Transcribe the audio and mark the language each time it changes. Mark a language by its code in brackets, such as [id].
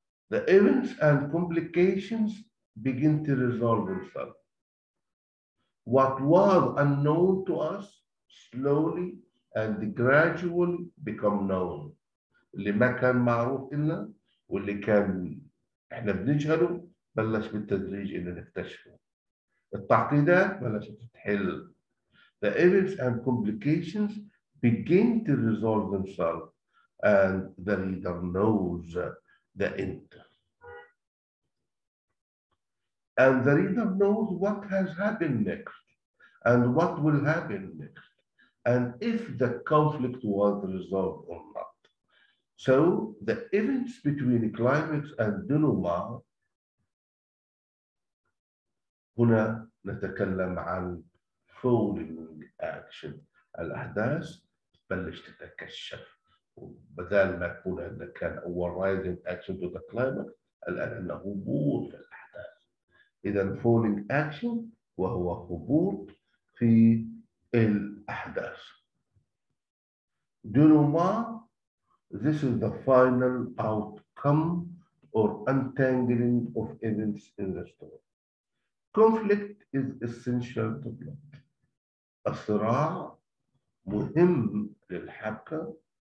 [en] The events and complications begin to resolve themselves. What was unknown to us slowly and gradually become known. [ar] اللي ما كان معروف إلا واللي كان إحنا بنجهله بلش بالتدريج إلى نكتشفه. التعقيدات بلشت تتحل. [en] The events and complications begin to resolve themselves and the reader knows the end. And the reader knows what has happened next and what will happen next and if the conflict was resolved or not. So the events between climax and denouement [ar] هنا نتكلم عن [en] following action. [ar] الأحداث تبلش تتكشف. بدل ما تكون عندنا كان أول [en] rising action to the climax [ar] الآن عندنا هبوط في الأحداث. إذن [en] following action [ar] وهو هبوط في الأحداث. [en] Denouement, this is the final outcome or untangling of events in the story. Conflict is essential to plot. [ar] الصراع مهم للحبكة.